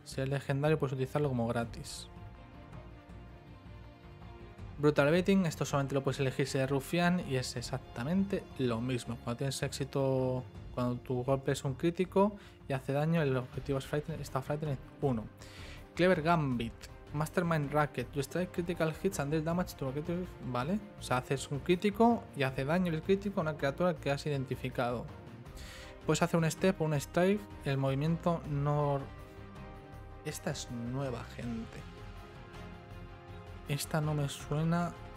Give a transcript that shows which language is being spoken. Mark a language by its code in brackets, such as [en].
[es] Si es legendario, puedes utilizarlo como gratis. Brutal Beating, esto solamente lo puedes elegir si eres rufián, y es exactamente lo mismo. Cuando tienes éxito, cuando tu golpe es un crítico y hace daño, el objetivo es frightened 1. Clever Gambit. [en] Mastermind Racket, you strike critical hits and deal damage to a creature. [es] Vale, o sea, haces un crítico y hace daño el crítico a una criatura que has identificado. Puedes hacer un step o un strike, el movimiento no. Esta es nueva, gente. Esta no me suena.